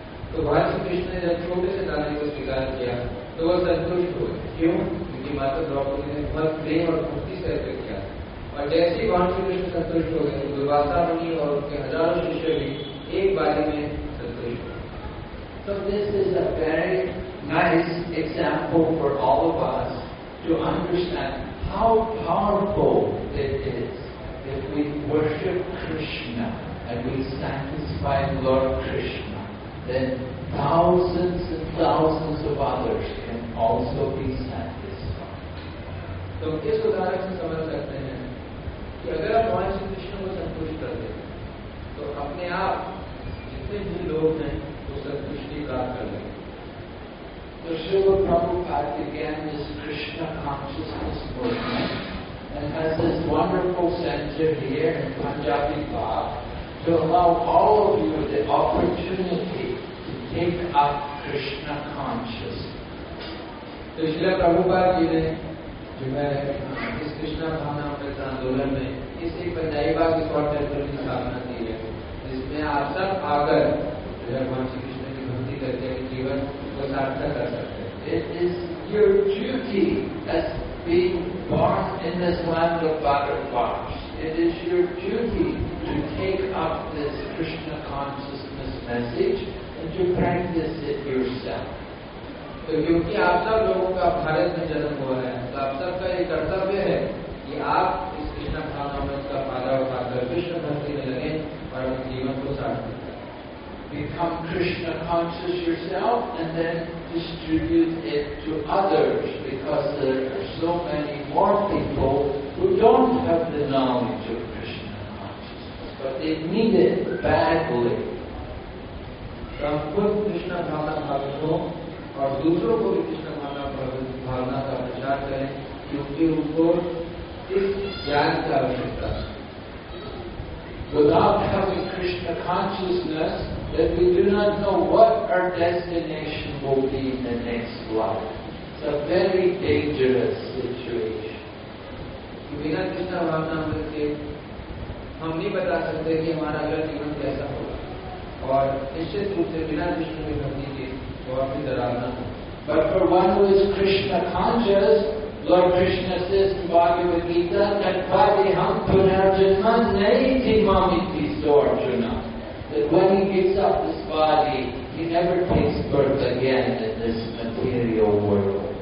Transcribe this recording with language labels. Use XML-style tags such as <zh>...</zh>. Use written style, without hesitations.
<hi>तो भगवान श्री कृष्ण ने जब छोटे से दाने को स्वीकार किया तो वह संतुष्ट हुए। क्यों? क्योंकि माता द्रौपदी ने बहुत प्रेम और भक्ति से अर्पित किया। और जैसे ही भगवान श्री कृष्ण संतुष्ट हो गए तो दुर्वासा मुनि और उनके हजारों शिष्य भी एक बारी में संतुष्ट हुए।</hi> <en>So this is a very nice example for all of us to understand how powerful it is. If we worship Krishna and we satisfy Lord Krishna, then thousands and thousands of others can also be satisfied.</en> <hi>तो इस उदाहरण से समझ सकते हैं कि अगर आप भगवान श्री कृष्ण को संतुष्ट कर दें तो अपने आप जितने भी लोग हैं वो संतुष्टि प्राप्त कर लेंगे।</hi> <en>तो Shiv Prabhupada again this Krishna consciousness movement and has this wonderful center here in Punjabi Bagh to allow all of you the opportunity to take up Krishna consciousness.</en> <hi>तो श्रील प्रभुपाद जी ने जो मैं इस कृष्णा भावना अमृत आंदोलन में इसी पंजाबी बाग सेंटर की स्थापना की है जिसमें आप सब आकर भगवान श्री कृष्ण की भक्ति करके जीवन को सार्थक कर सकते हैं।</hi> <en>It is your duty as being born in this land of Bhagavatams, it is your duty to take up this Krishna consciousness message and to practice it yourself.</en> <hi>तो क्योंकि आप सब लोगों का भारत में जन्म हुआ है तो आप सबका ये कर्तव्य है कि आप इस कृष्ण भावनामृत का फायदा उठाकर कृष्ण भक्ति में लगे और अपने जीवन को सार्थक करें।</hi> <en>Become Krishna conscious yourself and then distribute it to others because there are so many more people who don't have the knowledge of Krishna consciousness but they need it badly.</en> <hi>तब खुद कृष्ण भावना प्राप्त हो और दूसरों को भी कृष्ण भावना का प्रचार करें क्योंकि उनको इस ज्ञान की आवश्यकता है।</hi> <en>without having Krishna consciousness, that we do not know what our destination will be in the next life. It's a very dangerous situation.</en> <hi>बिना कृष्ण भावना के हम नहीं बता सकते कि हमारा अगला जीवन कैसा होगा और निश्चित रूप से बिना कृष्ण की भक्ति के और भी डरावना हो.</hi> <en>But for one who is Krishna conscious, Lord Krishna says in Bhagavad Gita that</en> <sa>Padiham Punarjanma Naiti Mamiti Sorjana.</sa> <en>That when he gives up this body, he never takes birth again in this material world.</en>